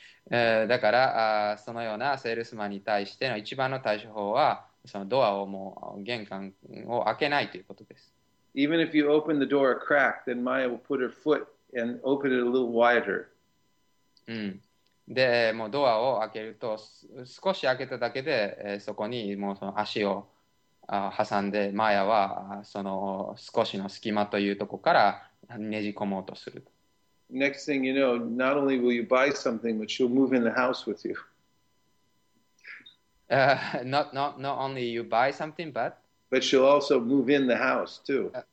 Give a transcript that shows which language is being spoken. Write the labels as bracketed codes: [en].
[ja] だから、そのようなセールスマンに対しての一番の対処法は、そのドアをもう玄関を開けないということです。 [en] Even if you open the door a crack, then Maya will put her foot and open it a little wider. うん。 [ja] で、もうドアを開けると、少し開けただけで、そこにもうその足を挟んで、Maya はその少しの隙間というところから、ねじ込もうとする。 [en] Next thing you know, not only will you buy something, but she'll move in the house with you. Not only you buy something, but... But she'll also move in the house, too.